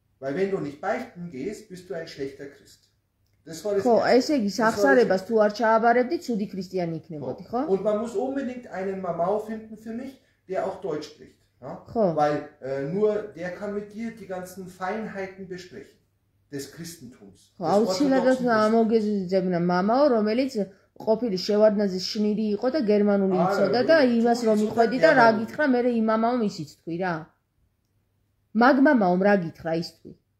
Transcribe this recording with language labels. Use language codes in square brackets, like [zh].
[de] Weil wenn du nicht beichten gehst, bist du ein schlechter Christ. [ka] ხო, ესე იგი, სახსარებას თუ არ ჩააბარებდი, ცუდი ქრისტიანი იქნებოდი, ხო? [de] Und man muss unbedingt einen Mama finden für mich, der auch Deutsch spricht, ja? [ka] ხო. [de] Weil nur der kann mit dir die ganzen Feinheiten besprechen des Christentums. [ka] ხო, აუცილებლად ამოგეძებნა მამაო, რომელიც ყოფილი შევარდნაძის შნირი იყო და გერმანული იცოდა და იმას რომ მიხვედი და რა გითხრა, მე რე იმ მამაო მისიც თქვი რა. მაგ მამაო რა გითხრა ის თქვი.